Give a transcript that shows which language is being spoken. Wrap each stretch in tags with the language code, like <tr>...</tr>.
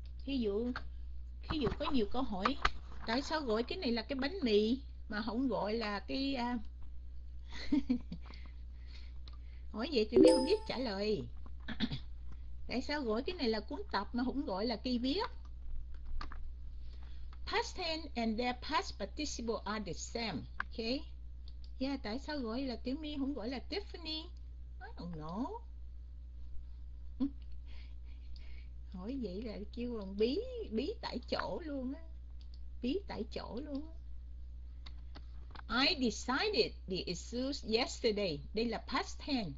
<vi>Ví dụ có nhiều câu hỏi, tại sao gọi cái này là cái bánh mì mà không gọi là cái hỏi vậy thì mình không biết trả lời. Tại sao gọi cái này là cuốn tập mà không gọi là cây viết?</vi> <en>Past tense and their past participle are the same. Okay.</en> <vi>Yeah, tại sao gọi là Tiểu My không gọi là Tiffany?</vi> <en>I don't know.</en> <vi>Hỏi vậy là kêu bằng bí tại chỗ luôn á. Bí tại chỗ luôn á.</vi> <en>I decided the issues yesterday.</en> <vi>Đây là</vi> <en>past tense.</en>